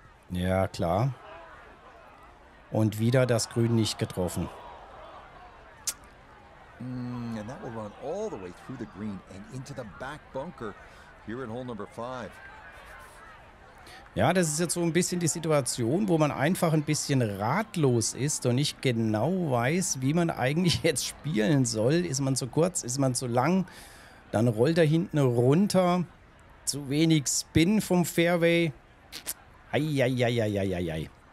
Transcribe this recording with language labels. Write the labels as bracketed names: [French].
[German] Ja, klar. Und wieder das Grün nicht getroffen. [English] And that will run all the way through the green and into the back bunker here in hole number 5. [German] Ja, das ist jetzt so ein bisschen die Situation, wo man einfach ein bisschen ratlos ist und nicht genau weiß, wie man eigentlich jetzt spielen soll. Ist man zu kurz, ist man zu lang, dann rollt er hinten runter. Zu wenig Spin vom Fairway. Eieieiei.